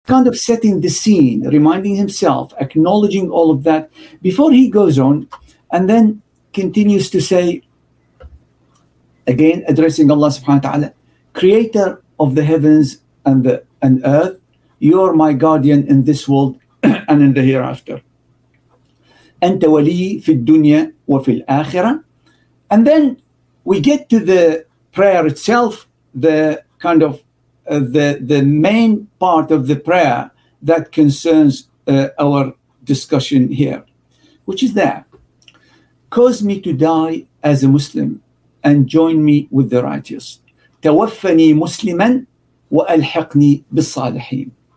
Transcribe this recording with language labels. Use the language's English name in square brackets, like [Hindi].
[English] Kind of setting the scene, reminding himself, acknowledging all of that before he goes on, and then continues to say, again addressing Allah subhanahu wa ta'ala, creator of the heavens and the and earth, you are my guardian in this world and in the hereafter. [Arabic] أنت ولي في الدنيا وفي الآخرة. [English] And then we get to the prayer itself, the kind of the main part of the prayer that concerns our discussion here, which is that, cause me to die as a Muslim and join me with the righteous. [Arabic] توفني مسلما وألحقني بالصالحين.